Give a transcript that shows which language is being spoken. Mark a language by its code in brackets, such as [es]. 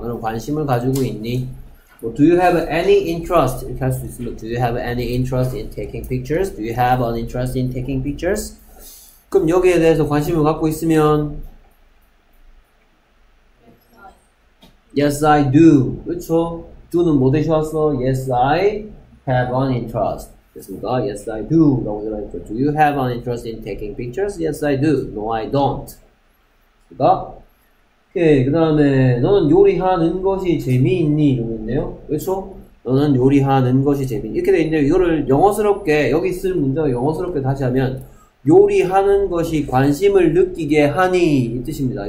[ko] 너는 관심을 가지고 있니? [en] 뭐, do you have any interest? [ko] 이렇게 할 수도 있습니다. [en] Do you have any interest in taking pictures? Do you have an interest in taking pictures? [ko] 그럼 여기에 대해서 관심을 갖고 있으면, [en] Yes, I do. [ko] 그렇죠? [en] Do는 [ko] 뭐 대신 왔어? [en] Yes, I have an interest. [ko] 됐습니까? [en] Yes, I do. [ko] 라고 들어가 있죠. [en] Do you have an interest in taking pictures? Yes, I do. No, I don't. [ko] 됐습니까? 오케이. 그 다음에, 너는 요리하는 것이 재미있니? 이러고 있네요. 그렇죠? 너는 요리하는 것이 재미있니? 이렇게 돼 있는데, 이거를 영어스럽게, 여기 쓰는 문장을 영어스럽게 다시 하면, 요리하는 것이 관심을 느끼게 하니, 이 뜻입니다.